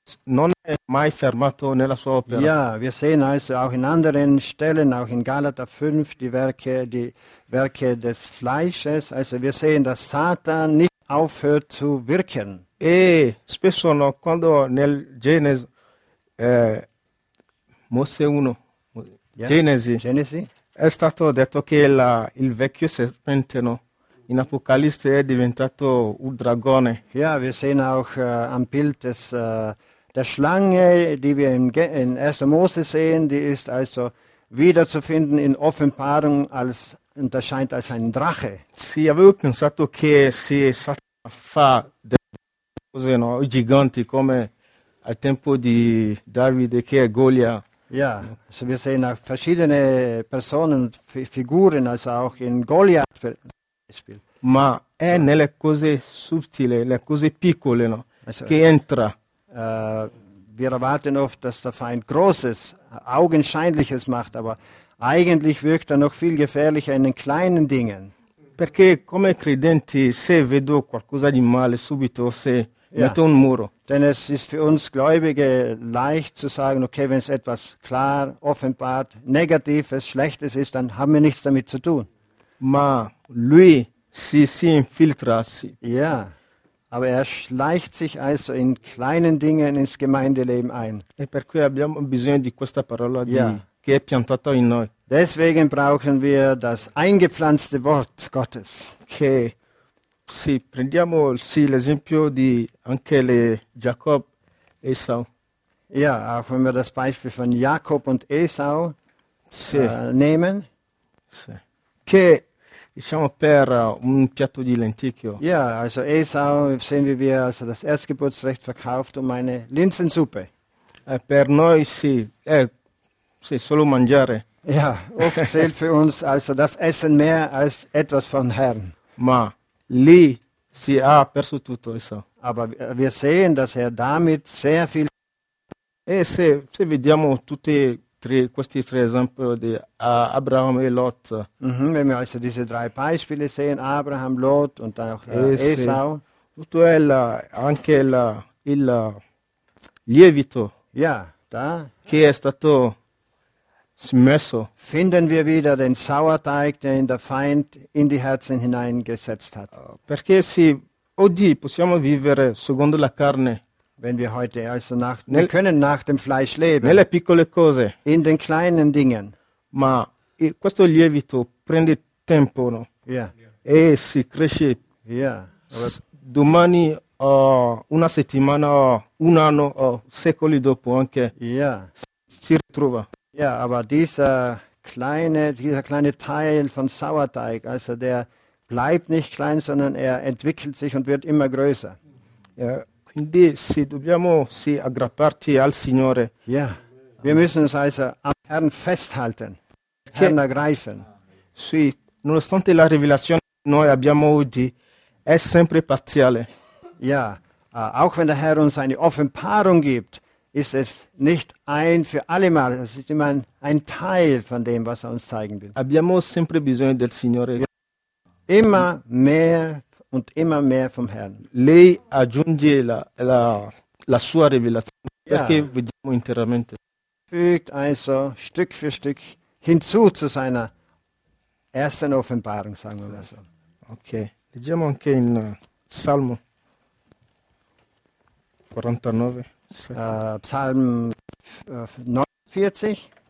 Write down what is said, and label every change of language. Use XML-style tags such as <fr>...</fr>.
<it>Non è mai fermato nella sua opera.</it> <de>Ja, wir sehen also auch in anderen Stellen, auch in Galater 5, die Werke des Fleisches. Also wir sehen, dass Satan nicht aufhört zu wirken.</de> <it>E spesso no, quando nel Genesi, Mosè 1, Genesi, è stato detto che il vecchio serpente, no? In Apocalisse è diventato un dragone.</it> <de>Ja, wir sehen auch am Bild des der Schlange, die wir in 1. Mose sehen, die ist also wiederzufinden in Offenbarung als, und das scheint als ein Drache.</de> <it>Sì, avevo pensato che se Satana fa delle cose, no, giganti come al tempo di Davide che è Golia.</it> <de>Ja, also wir sehen auch verschiedene Personen, Figuren, also auch in Goliath per</de> <it>esempio. Ma è nelle cose subtili, le cose piccole, no, also, che entra.</it> <de>Wir erwarten oft, dass der Feind Großes, Augenscheinliches macht, aber eigentlich wirkt er noch viel gefährlicher in den kleinen Dingen.</de> <it>Perché come credenti, se vedo qualcosa di male subito, se metto un muro.</it> <de>Denn es ist für uns Gläubige leicht zu sagen, okay, wenn es etwas klar, offenbart, Negatives, Schlechtes ist, dann haben wir nichts damit zu tun.</de> <it>Ma lui si infiltra. Ja.</it> <de>Aber er schleicht sich also in kleinen Dingen ins Gemeindeleben ein.</de> <it>E per cui abbiamo bisogno di questa parola di, che è piantata in noi.</it> <de>Deswegen brauchen wir das eingepflanzte Wort Gottes.</de> <it>Che sì, prendiamo sì, l'esempio di anche le Jakob e Esau.</it> <de>Ja, auch wenn wir das Beispiel von Jakob und Esau nehmen. Sì.</de> <it>Che diciamo per un piatto di lenticchio.</it> <de>Ja, also Esau, sehen wir, wie er also das Erstgeburtsrecht verkauft um eine Linsensuppe.</de> <it>Per noi sì, sì, solo mangiare.</it> <de>Ja, oft zählt für uns also das Essen mehr als etwas vom Herrn.</de> <it>Ma lì si ha perso tutto Esau.</it> <de>Aber wir sehen, dass er damit sehr viel.</de> <it>E se vediamo tutte questi tre esempi di Abraham e Lot.</it> <de>Mm-hmm, wenn wir also diese drei Beispiele sehen, Abraham, Lot und auch Esau.</de> <it>Tutto è anche il lievito.</it> <de>Ja, da.</de> <it>Che è stato smesso.</it> <de>Finden wir wieder den Sauerteig, den der Feind in die Herzen hineingesetzt hat.</de> <it>Perché sì, oggi possiamo vivere secondo la carne.</it> <de>Wenn wir heute also wir können nach dem Fleisch leben.</de> <it>Nelle piccole cose.</it> <de>In den kleinen Dingen.</de> <it>Ma questo lievito prende tempo, no? Ja. Yeah. E si cresce. Ja. Yeah. Domani, una settimana, un anno, secoli dopo anche. Ja. Yeah. Si ritrova.</it> <de>Ja, yeah, aber dieser kleine Teil von Sauerteig, also der bleibt nicht klein, sondern er entwickelt sich und wird immer größer. Ja. Yeah.</de> <it>Quindi sì, dobbiamo sì, aggrapparti al Signore.</it> <de>Ja, wir müssen uns also am Herrn festhalten, Herrn ergreifen.</de> <it>Sì, nonostante la rivelazione che noi abbiamo oggi, è sempre parziale.</it> <de>Ja, auch wenn der Herr uns eine Offenbarung gibt, ist es nicht ein für alle Mal, es ist immer ein Teil von dem, was er uns zeigen will.</de> <it>Abbiamo sempre bisogno del Signore. Ja.</it> <de>Immer mehr und immer mehr vom Herrn.</de> <it>Lei aggiunge la sua rivelazione, ja. Perché vediamo interamente.</it> <de>Fügt also Stück für Stück hinzu zu seiner ersten Offenbarung, sagen wir mal so.</de> <it>Okay, leggiamo anche in Salmo 49,</it> <de>Psalm 49.</de>